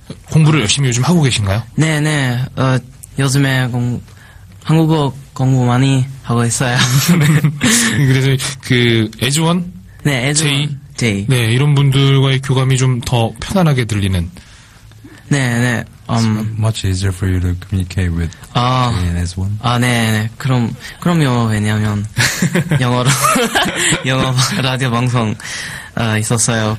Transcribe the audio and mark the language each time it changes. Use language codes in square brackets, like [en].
[ko] 공부를 열심히 요즘 하고 계신가요? 네네. 요즘에 한국어 공부 많이 하고 있어요. 그래서 그 에즈원, 네 에즈원, 제이. 제이, 네 이런 분들과의 교감이 좀 더 편안하게 들리는. 네네. [en] It's much easier for you to communicate with Jay and Eswan. [ko] 아 네네. 그럼요. 왜냐하면 영어로 영어 라디오 방송 있었어요.